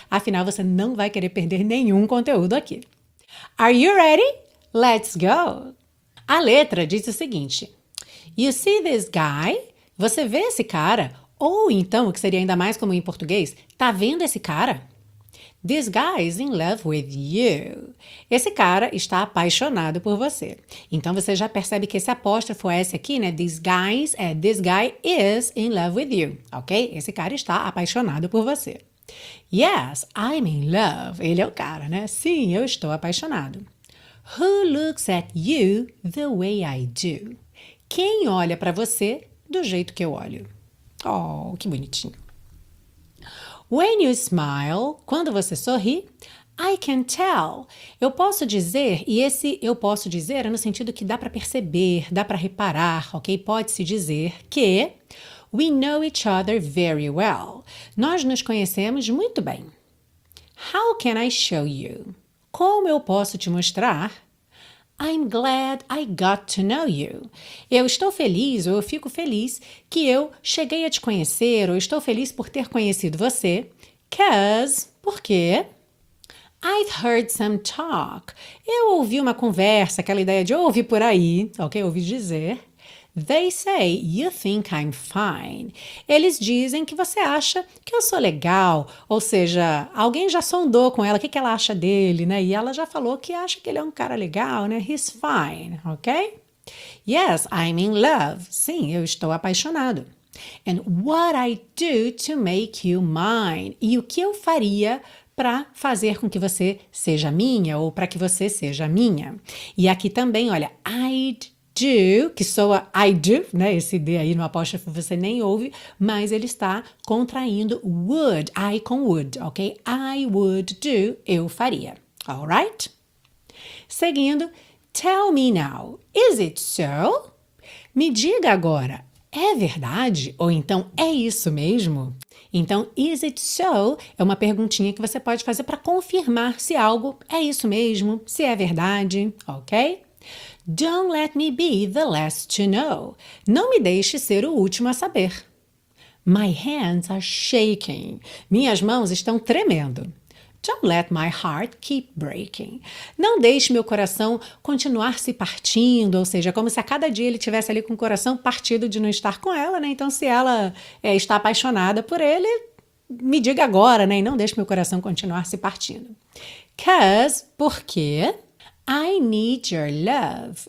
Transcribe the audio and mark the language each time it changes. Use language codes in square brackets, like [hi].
[pt] Afinal, você não vai querer perder nenhum conteúdo aqui. [en] Are you ready? Let's go! [pt] A letra diz o seguinte: [en] You see this guy? [pt] Você vê esse cara? Ou então, o que seria ainda mais comum em português, tá vendo esse cara? [en] This guy is in love with you. [pt] Esse cara está apaixonado por você. Então você já percebe que esse apóstrofo S aqui, né? [en] This guy is in love with you. Ok? [pt] Esse cara está apaixonado por você. [en] Yes, I'm in love. [pt] Ele é o cara, né? Sim, eu estou apaixonado. [en] Who looks at you the way I do? [pt] Quem olha para você do jeito que eu olho? [en] Oh, [pt] que bonitinho. [en] When you smile, [pt] quando você sorri, [en] I can tell. [pt] Eu posso dizer, e esse eu posso dizer é no sentido que dá para perceber, dá para reparar, ok? Pode-se dizer que [en] we know each other very well. [pt] Nós nos conhecemos muito bem. [en] How can I show you? [pt] Como eu posso te mostrar? [en] I'm glad I got to know you. [pt] Eu estou feliz, ou eu fico feliz, que eu cheguei a te conhecer, ou estou feliz por ter conhecido você. Porque [en] I've heard some talk. [pt] Eu ouvi uma conversa, aquela ideia de ouvir por aí, ok? Ouvi dizer. [en] They say you think I'm fine. [pt] Eles dizem que você acha que eu sou legal. Ou seja, alguém já sondou com ela, o que ela acha dele, né? E ela já falou que acha que ele é um cara legal, né? [en] He's fine, ok? Yes, I'm in love. [pt] Sim, eu estou apaixonado. [en] And what I do to make you mine. [pt] E o que eu faria para fazer com que você seja minha ou para que você seja minha. E aqui também, olha, I'd do, que soa I do, né? Esse D aí no apóstrofo você nem ouve, mas ele está contraindo would, I com would, ok? [en] I would do, [pt] eu faria, [en] alright? [pt] Seguindo, [en] tell me now, is it so? [pt] Me diga agora, é verdade? Ou então, é isso mesmo? Então, [en] is it so? [pt] É uma perguntinha que você pode fazer para confirmar se algo é isso mesmo, se é verdade, ok? [en] Don't let me be the last to know. [pt] Não me deixe ser o último a saber. [en] My hands are shaking. [pt] Minhas mãos estão tremendo. [en] Don't let my heart keep breaking. [pt] Não deixe meu coração continuar se partindo, ou seja, como se a cada dia ele estivesse ali com o coração partido de não estar com ela, né? Então, se ela está apaixonada por ele, me diga agora, né? E não deixe meu coração continuar se partindo. Porque [en] I need your love.